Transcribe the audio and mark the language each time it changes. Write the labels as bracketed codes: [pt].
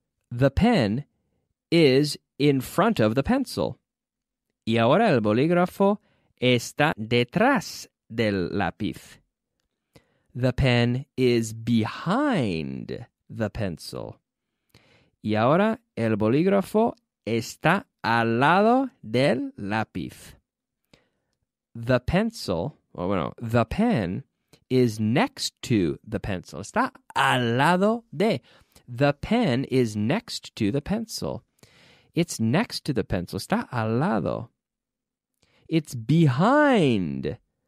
[en] The pen is in front of the pencil. [es] Y ahora el bolígrafo está detrás del lápiz. [en] The pen is behind the pencil. [es] Y ahora el bolígrafo está al lado del lápiz. [en] The pencil, [es] o bueno, [en] the pen is next to the pencil. [es] Está al lado de. [en] The pen is next to the pencil. It's next to the pencil. [es] Está al lado. [en] It's behind.